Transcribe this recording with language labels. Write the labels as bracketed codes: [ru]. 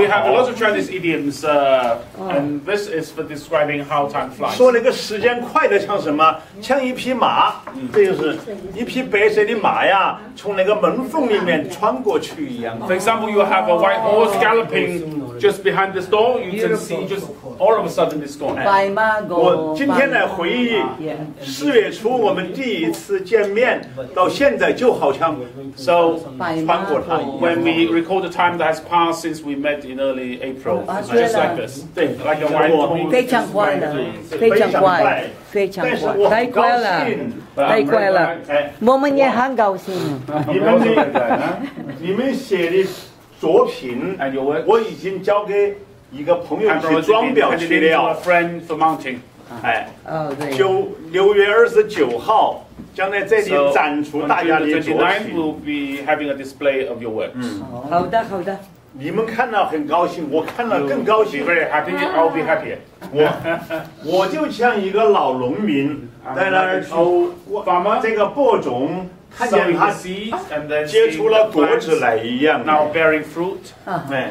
[en] We have a lot of Chinese idioms, and this is for describing how time flies。 [zh] 说那个时间快的像什么？像一匹马，这就是一匹白。这里马呀，从那个门缝里面穿过去一样。 [en] For example, you have a white horse galloping just behind this door. You can see just all of a sudden it's gone. [zh] 白马我今天来回忆四月初我们第一次见面，到现在就好像 [en] so [zh] 穿过它。 [en] When we recall the time that has passed since we met in early April, it's just like this. [zh] 对 [en] ，like a white horse. [zh] 非常快的，非常快。非常快，太快了，太快了，我们也很高兴。你们写的作品，我已经交给一个朋友去装裱去了。 [en] Friend for mounting， [zh] 就6月29号将在这里展出大家的作品。 [en] We'll be having a display of your works。 [zh] 好的，好的。你们看到很高兴，我看到更高兴。 [en] Very happy, I'll be happy. [zh] 我就像一个老农民在那儿偷这个播种，看见他结出了果子来一样。 [en] Now bearing fruit.